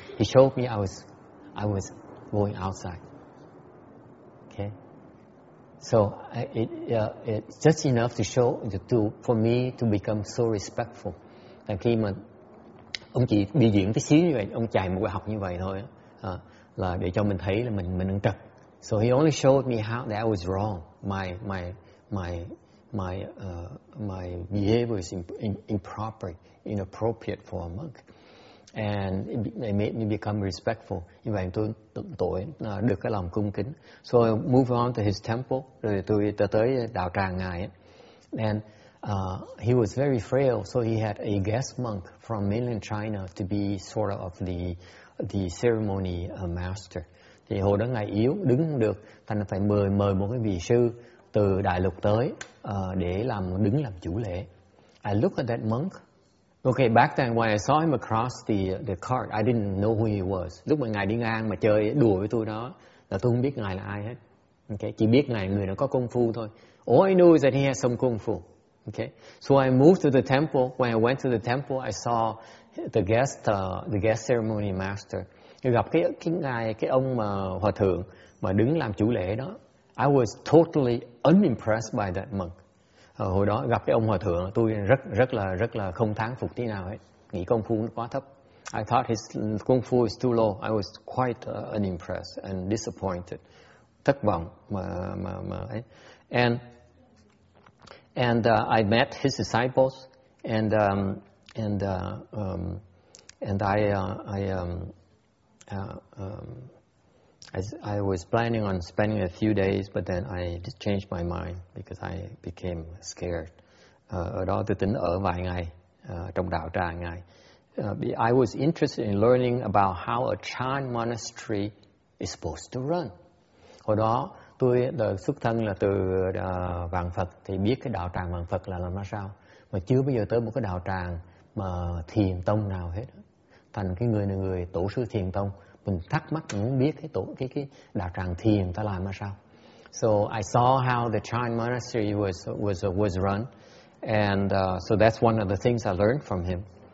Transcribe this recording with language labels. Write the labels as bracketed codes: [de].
[en] He showed me I was going outside. Okay. So it's just enough to show for me to become so respectful. [vi] Là khi mà ông chỉ biểu diễn tí xíu như vậy, ông chạy một bài học như vậy thôi, là để cho mình thấy là mình đang trật, [en] So he only showed me how that was wrong. My behavior is improper, inappropriate for a monk. And it made me become respectful. [vi] Như vậy tôi tội được cái lòng cung kính. [en] So I moved on to his temple. [vi] Rồi tôi tới đạo tràng ngài. [en] And he was very frail, so he had a guest monk from mainland China to be sort of the ceremony master. [vi] Thì hồi đó ngài yếu, đứng không được, thành phải mời một cái vị sư từ đại lục tới để làm đứng làm chủ lễ. [en] I look at that monk. Okay, back then when I saw him across the cart, I didn't know who he was. [vi] Lúc mà ngài đi ngang mà chơi đùa với tôi đó, là tôi không biết ngài là ai hết. Okay, chỉ biết ngài người nó có công phu thôi. [en] All I knew is that he had some kung fu. Okay, so I moved to the temple. When I went to the temple, I saw the guest ceremony master. [vi] Tôi gặp cái ngài cái ông mà hòa thượng mà đứng làm chủ lễ đó. [en] I was totally unimpressed by that monk. [vi] Hồi đó gặp cái ông hòa thượng, tôi rất là không thán phục tí nào hết. Nghĩ công phu nó quá thấp. [en] I thought his kung fu is too low. I was quite unimpressed and disappointed. [vi] Thất vọng mà ấy. [en] And I met his disciples and I was planning on spending a few days, but then I just changed my mind because I became scared. [vi] Ở đó tôi tính ở vài ngày trong đạo tràng ngài. [en] I was interested in learning about how a Chan monastery is supposed to run. [vi] Hồi đó tôi xuất thân là từ Vạn Phật thì biết cái đạo tràng Vạn Phật là làm ra sao, mà chưa bao giờ tới một cái đạo tràng mà thiền tông nào hết. Thành cái người này người tổ sư thiền tông, mình thắc mắc muốn biết cái đạo tràng thiền ta làm ra sao. [en] So I saw how the Chan monastery was run, and so that's one of the things I learned from him.